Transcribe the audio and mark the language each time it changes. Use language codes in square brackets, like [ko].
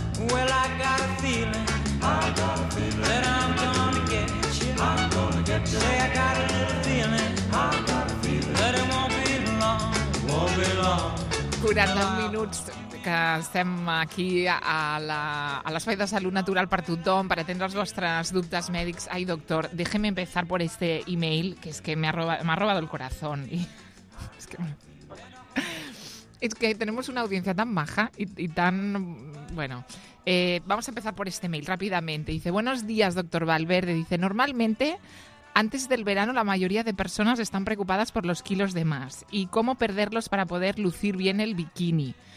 [en] Well, I got a feeling that I'm gonna get you. Say, I got a little feeling, that it won't be long. [ca] 40 minuts que estem aquí a l'Espai de Salut Natural per tothom, per atendre els vostres dubtes mèdics. [es] Ai, doctor, déjeme empezar por este email, que es que me ha robado el corazón. Es que tenemos una audiencia tan maja y tan... Bueno... vamos a empezar por este mail rápidamente. Dice, buenos días, doctor Valverde. Dice, normalmente, antes del verano, la mayoría de personas están preocupadas por los kilos de más y cómo perderlos para poder lucir bien el bikini.